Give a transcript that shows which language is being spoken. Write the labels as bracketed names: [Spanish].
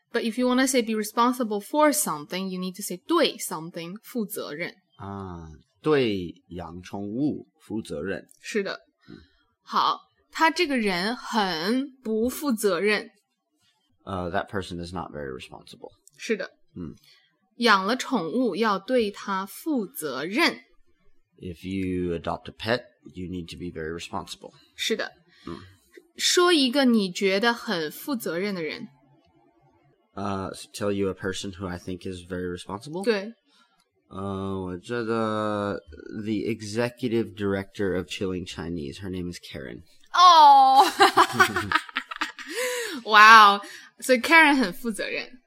[English] But if you want to say be responsible for something, you need to say 对 something 负责任。 [Chinese] 啊，对养宠物负责任。是的。好，他这个人很不负责任。 [English] That person is not very responsible. [Chinese] 是的。养了宠物要对他负责任。 [English] If you adopt a pet, you need to be very responsible. [Chinese] 是的。说一个你觉得很负责任的人。 [English] Tell you a person who I think is very responsible? [Chinese] 对。 [English] 我觉得 the executive director of Chilling Chinese, her name is Karen. Oh! wow! So Karen 很负责任。